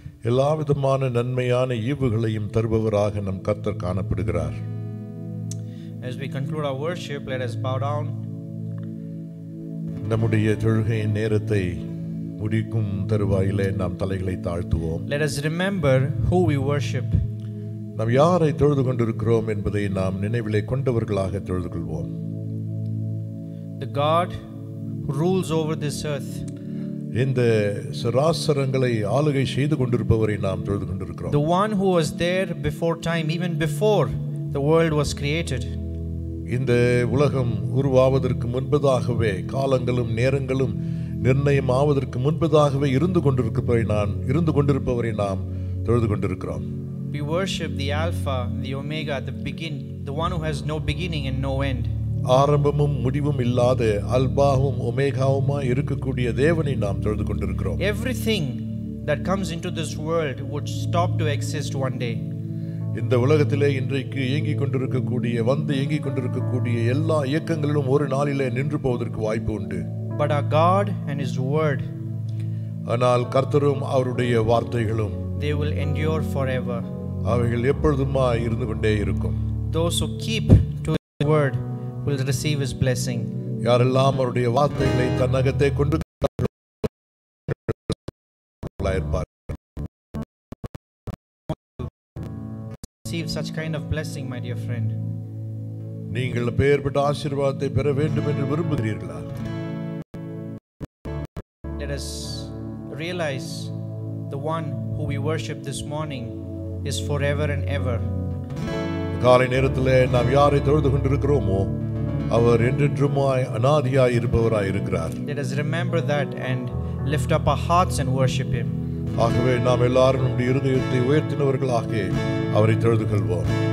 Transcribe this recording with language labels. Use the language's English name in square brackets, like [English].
[Tamil] எல்லாவிதமான நன்மையான ஈவுகளையும் தருபவராக நம் கர்த்தர் காணப்படுகிறார். [English] As we conclude our worship, let us bow down. [Tamil] நம்முடைய தொழுகையின் நேரத்தை முடிக்கும் தருவாயிலே நாம் தலைகளை தாழ்த்துவோம். [English] Let us remember who we worship. [Tamil] நாம் யாரை தொழுது கொண்டிருக்கிறோம் என்பதை நாம் நினைவிலே கொண்டவர்களாக தொழுது கொள்வோம். [English] The God who rules over this earth. [Tamil] இந்த சராசரங்களை ஆளுகை செய்து கொண்டிருப்பவரை நாம் தொழுது கொண்டிருக்கிறோம். [English] The one who was there before time, even before the world was created. [Tamil] இந்த உலகம் உருவாவதற்கு முன்பதாகவே காலங்களும் நேரங்களும் நிர்ணயம் ஆவதற்கு முன்பதாகவே இருந்து கொண்டிருப்பவரை நாம் தொழுது கொண்டிருக்கிறோம். [English] We worship the Alpha, the Omega, the begin, the one who has no beginning and no end. [Tamil] ஆரம்பமும் முடிவும் இல்லாத அல்பாவும் ஒமேகாவுமா இருக்கக்கூடிய தேவனை நாம் தொழுது கொண்டிருக்கிறோம். [English] Everything that comes into this world would stop to exist one day. [Tamil] இந்த உலகத்திலே இன்றைக்கு இயங்கிக் கொண்டிருக்கக்கூடிய வந்து இயங்கிக் கொண்டிருக்கக்கூடிய எல்லா இயக்கங்களிலும் ஒரு நாளிலே நின்று போவதற்கு வாய்ப்பு உண்டு. [English] But our God and His Word. [Tamil] ஆனால் கர்த்தரும் அவருடைய வார்த்தைகளும் [English] they will endure forever. [Tamil] அவைகள் எப்பொழுதுமா இருந்து கொண்டே இருக்கும். [English] Those who keep to His Word will receive His blessing. [Tamil] யாரெல்லாம் அவருடைய வார்த்தைகளை தன்னகத்தே கொண்டு [English] such kind of blessing, my dear friend. [Tamil] நீங்கள் பெயர்பட்ட ஆசீர்வாதத்தை பெற வேண்டும் என்று விரும்புகிறீர்களா? [English] Let us realize the one who we worship this morning is forever and ever. [Tamil] காலை நேரத்திலே நாம் யாரை தொழுது கொண்டிருக்கிறோமோ அவர் என்றென்றுமாய் அநாதியாய் இருப்பவராய் இருக்கிறார். [English] Let us remember that and lift up our hearts and worship him. [Tamil] ஆகவே நாம் எல்லாரும் நம்முடைய இருதயத்தை உயர்த்தினவர்களாக அவரை தொழுது கொள்வோம்.